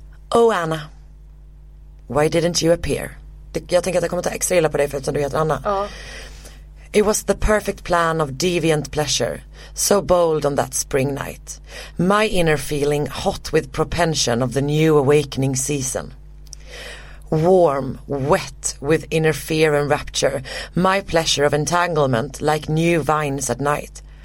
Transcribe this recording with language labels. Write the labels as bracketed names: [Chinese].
[English] Oh Anna, why didn't you appear? [Swedish] Jag tänker att jag kommer ta extra illa på dig för att du heter Anna. [English] It was the perfect plan of deviant pleasure, so bold on that spring night. My inner feeling hot with propension of the new awakening season. Warm, wet with inner fear and rapture, my pleasure of entanglement like new vines at night.